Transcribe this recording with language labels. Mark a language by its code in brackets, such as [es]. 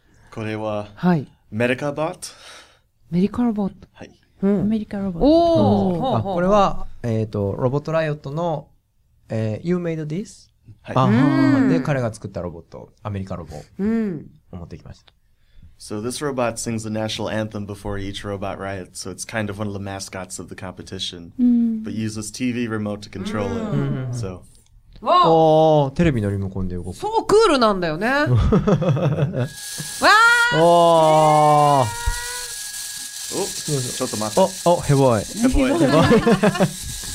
[ja] これは、はい、メディカロボット。メディカロボット。はい。うん、メディカロボット。おお、うん。あ、これはロボットライオットの、 [en] You made this? [ja] はい、で彼が作ったロボット、アメリカロボを持ってきました。 [en] So this robot sings the national anthem before each robot riot, so it's kind of one of the mascots of the competition. But uses TV remote to control it. So. [ja] わあ。おお、テレビのリモコンで動く。そう、クールなんだよね。わあ。おお。ちょっと待って。お、ヘボイ。ヘボイ。